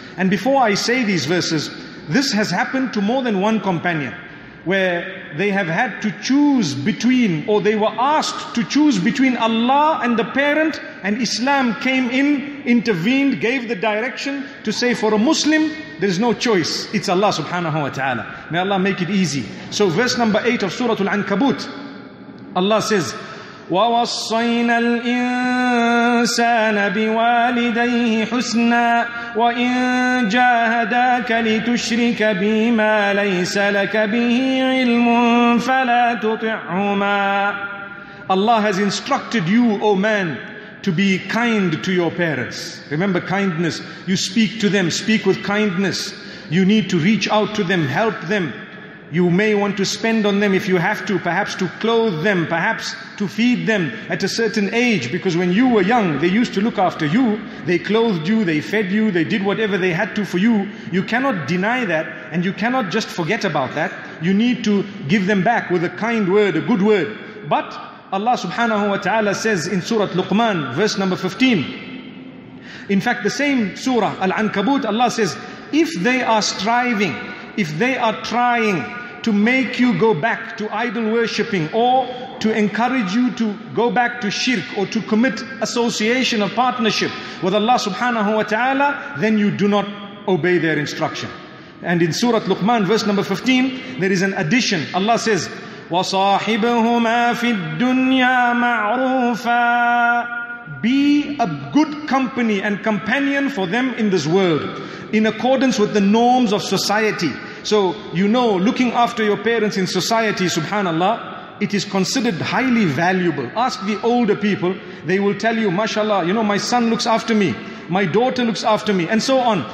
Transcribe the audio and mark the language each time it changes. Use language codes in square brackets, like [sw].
[en] And before I say these verses, this has happened to more than one companion, where they have had to choose between, or they were asked to choose between Allah and the parent, and Islam came in, intervened, gave the direction to say, for a Muslim, there's no choice. It's Allah subhanahu wa ta'ala. May Allah make it easy. So verse number 8 of Surah Al-Ankabut, Allah says, [ar] وَوَصَّيْنَا الْإِنسَانَ بِوَالِدَيْهِ حُسْنًا وَإِنْ جَاهَدَاكَ لِتُشْرِكَ بِمَا لَيْسَ لَكَ بِهِ عِلْمٌ فَلَا تُطِعْهُمَا. [en] Allah has instructed you, O man, to be kind to your parents. Remember kindness. You speak to them, speak with kindness. You need to reach out to them, help them. You may want to spend on them if you have to, perhaps to clothe them, perhaps to feed them at a certain age. Because when you were young, they used to look after you. They clothed you, they fed you, they did whatever they had to for you. You cannot deny that, and you cannot just forget about that. You need to give them back with a kind word, a good word. But Allah subhanahu wa ta'ala says in Surah Luqman, verse number 15. In fact, the same surah, Al-Ankabut, Allah says, if they are striving, if they are trying to make you go back to idol worshipping, or to encourage you to go back to shirk, or to commit association of partnership with Allah subhanahu wa ta'ala, then you do not obey their instruction. And in Surah Luqman, verse number 15, there is an addition. Allah says, [ar] وَصَاحِبْهُمَا فِي الدُّنْيَا مَعْرُوفًا. [en] Be a good company and companion for them in this world, in accordance with the norms of society. So, you know, looking after your parents in society, subhanallah, it is considered highly valuable. Ask the older people, they will tell you, mashallah, you know, my son looks after me, my daughter looks after me, and so on.